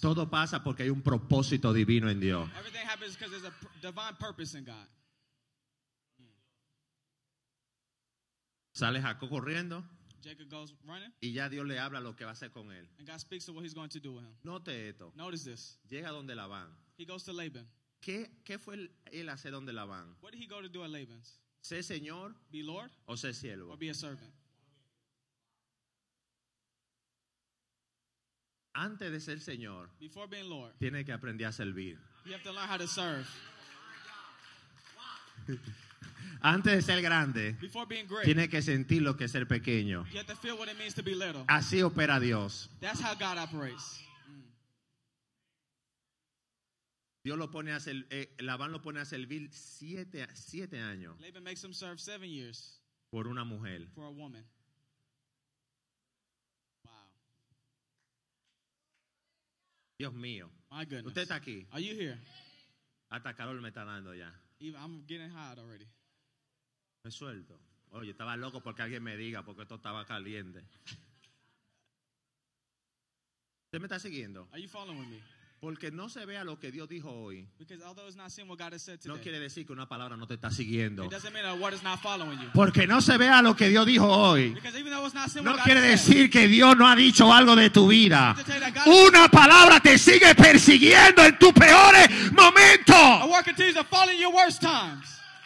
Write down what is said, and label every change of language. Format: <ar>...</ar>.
<es>Todo pasa porque hay un propósito divino en Dios.</es> <en>Everything happens because there's a divine purpose in God.</en> <es>Sale Jacob corriendo.</es> <en>Jacob goes running.</en> <es>Y ya Dios le habla lo que va a hacer con él.</es> <en>And God speaks of what he's going to do with him.</en> <es>Note esto.</es> <en>Notice this.</en> <es>Llega donde Labán.</es> <en>He goes to Laban.</en> <es>¿Qué fue él a hacer donde Labán?</es> <en>What did he go to do at Laban's?</en> <es>¿Sé señor?</es> <en>Be lord.</en> <es>¿O sé siervo?</es> <en>Or be a servant.</en> <es>Antes de ser señor,</es> <en>before being lord,</en> <es>tiene que aprender a servir.</es> <en>You have to learn how to serve.</en> <es>Antes de ser grande,</es> <en>before being great,</en> <es>tiene que sentir lo que es ser pequeño.</es> <en>You have to feel what it means to be little.</en> <es>Así opera Dios.</es> <en>That's how God operates.</en> <es>Dios lo pone a servir, Labán lo pone a servir siete años.</es> <en>Laban makes him serve 7 years.</en> <es>Por una mujer.</es> <en>For a woman. Wow.</en> <es>Dios mío.</es> <en>My goodness.</en> <es>Usted está aquí.</es> <en>Are you here?</en> <es>Hasta calor me está dando ya.</es> <en>Even, I'm getting hot already.</en> <es>Me suelto. Oye, estaba loco porque alguien me diga, porque esto estaba caliente. ¿Usted me está siguiendo?</es> <en>Are you following me?</en> <es>Porque no se vea lo que Dios dijo hoy.</es> <en>Because although it's not seen what God has said today.</en> <es>No quiere decir que una palabra no te está siguiendo.</es> <en>It doesn't mean that word is not following you.</en> <es>Porque no se vea lo que Dios dijo hoy.</es> <en>Because even though it's not seen what</en> <es>no</es> <en>God</en> <es>quiere</es> <en>has</en> <es>decir</es> <en>said,</en> <es>que Dios no ha dicho algo de tu vida.</es> <en>To tell you that God,</en> <es>una palabra te sigue persiguiendo en tus peores momentos.</es> <en>A word continues to follow your worst times.</en>